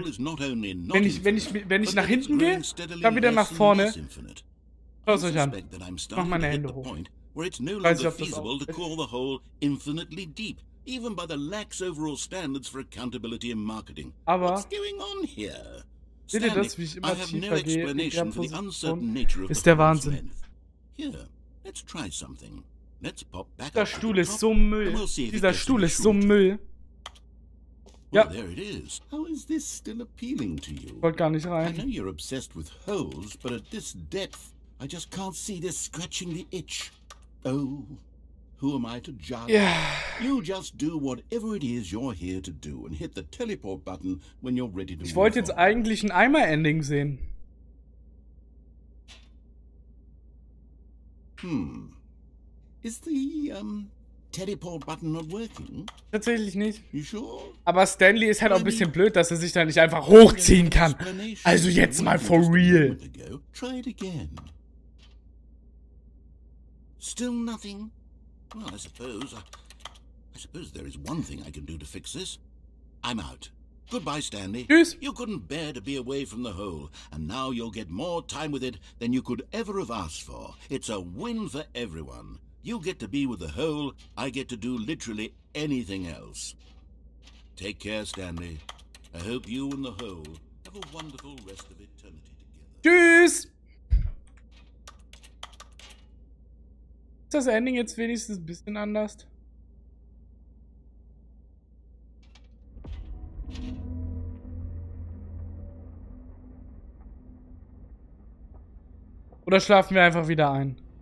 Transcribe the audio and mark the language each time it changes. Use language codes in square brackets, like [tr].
[de] Wenn ich nach hinten gehe, dann wieder nach vorne. Hört euch an. Mach meine Hände hoch. [en] It's no longer feasible to call the hole infinitely deep, even by the lax overall standards for accountability in marketing. [de] Aber [en] what's going on here? Stanley, [de] das, wie ich immer [en] I have no explanation for the uncertain nature of the hole's length. Here, let's try something. Let's pop back. [de] Der Stuhl ist so Müll. Dieser Stuhl ist so Müll. [en] Ja. Well, there it is. How is this still appealing to you? [de] Wollt gar nicht rein. [en] I know you're obsessed with holes, but at this depth, I just can't see this scratching the itch. Oh, who am I to judge? Yeah. You just do whatever it is you're here to do and hit the teleport button when you're ready to move. [de] Ich wollte jetzt eigentlich ein Eimer-Ending sehen. [en] Is the teleport button not working? [de] Tatsächlich nicht. [en] You sure? [de] Aber Stanley ist halt auch ein bisschen blöd, dass sich da nicht einfach hochziehen kann. Also jetzt mal [en] for real. Try it again. Still nothing. Well, I suppose there is one thing I can do to fix this. I'm out. Goodbye, Stanley. [de] Tschüss. [en] You couldn't bear to be away from the hole, and now you'll get more time with it than you could ever have asked for. It's a win for everyone. You get to be with the hole, I get to do literally anything else. Take care, Stanley. I hope you and the hole have a wonderful rest of eternity together. [de] Tschüss! Ist das Ending jetzt wenigstens ein bisschen anders? Oder schlafen wir einfach wieder ein?